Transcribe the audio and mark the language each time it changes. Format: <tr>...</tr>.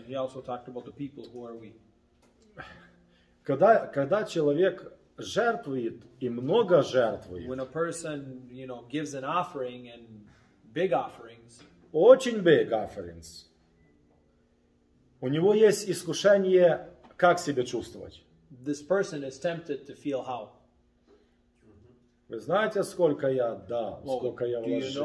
<en>He also talked about the people, who are we.</en> <ru>Когда человек жертвует и много жертвует,</ru> <en>when a person, you know, gives an offering and big offerings,</en> <ru>очень</ru> <en>big offerings,</en> <ru>у него есть искушение, как себя чувствовать.</ru> <en>This person is tempted to feel how.</en> <ru>Вы знаете, сколько я дал,</ru> <en>well,</en> <ru>сколько я вложил?</ru>